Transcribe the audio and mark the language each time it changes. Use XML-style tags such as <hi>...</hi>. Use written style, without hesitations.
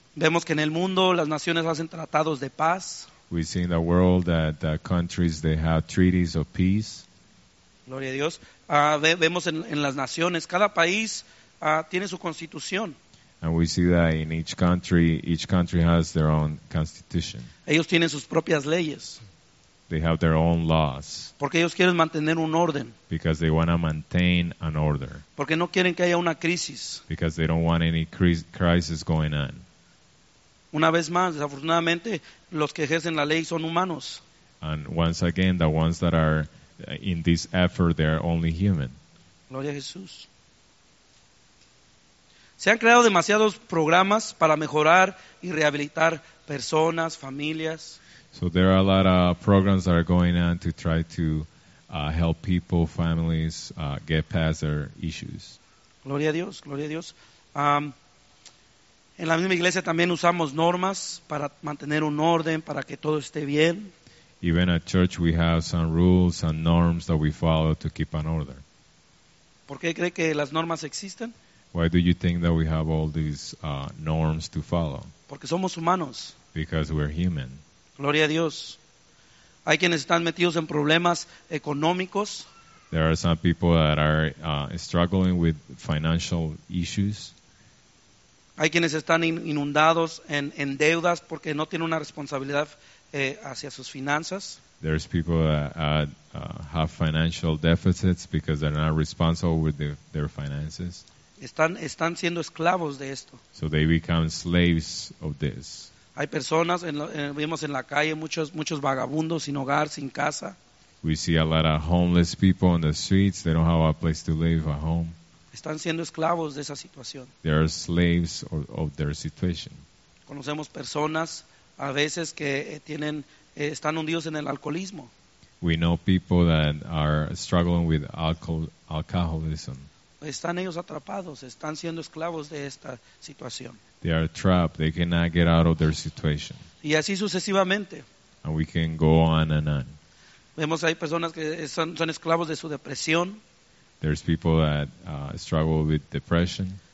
<es>Vemos que en el mundo las naciones hacen tratados de paz.</es> <en>We see in the world that the countries, they have treaties of peace.</en> <es>Gloria a Dios. Vemos en las naciones, cada país tiene su constitución.</es> <en>And we see that in each country has their own constitution.</en> <es>Ellos tienen sus propias leyes.</es> <en>They have their own laws.</en> <es>Porque ellos quieren mantener un orden.</es> <en>Because they want to maintain an order.</en> <es>Porque no quieren que haya una crisis.</es> <en>Because they don't want any crisis going on.</en> <es>Una vez más, desafortunadamente, los que ejercen la ley son humanos.</es> <en>And once again, the ones that are in this effort, they are only human.</en> <es>Gloria a Jesús. Se han creado demasiados programas para mejorar y rehabilitar personas, familias.</es> <en>So there are a lot of programs that are going on to try to help people, families, get past their issues.</en> <es>Gloria a Dios, gloria a Dios. En la misma iglesia también usamos normas para mantener un orden, para que todo esté bien.</es> <en>Even at church we have some rules and norms that we follow to keep an order.</en> <es>¿Por qué cree que las normas existen?</es> <en>Why do you think that we have all these norms to follow?</en> <es>Porque somos humanos.</es> <en>Because we're human.</en> <es>Gloria a Dios. Hay quienes están metidos en problemas económicos.</es> <en>There are some people that are struggling with financial issues.</en> <es>Hay quienes están inundados en deudas porque no tienen una responsabilidad hacia sus finanzas.</es> <en>There's people that have financial deficits because they're not responsible with their finances.</en> <es>Están siendo esclavos de esto.</es> <en>So they become slaves of this.</en> <es>Hay personas, vimos en la calle muchos vagabundos sin hogar, sin casa.</es> <en>We see a lot of homeless people on the streets. They don't have a place to live, a home.</en> <es>Están siendo esclavos de esa situación.</es> <en>They are slaves of their situation.</en> <es>Conocemos personas a veces que tienen están hundidos en el alcoholismo.</es> <en>We know people that are struggling with alcoholism.</en> <es>Están ellos atrapados, están siendo esclavos de esta situación.</es> <en>They are trapped, they cannot get out of their situation.</en> <es>Y así sucesivamente.</es> <en>And we can go on and on.</en> <es>Vemos hay personas que son esclavos de su depresión.</es> <en>There's people that struggle with depression.</en>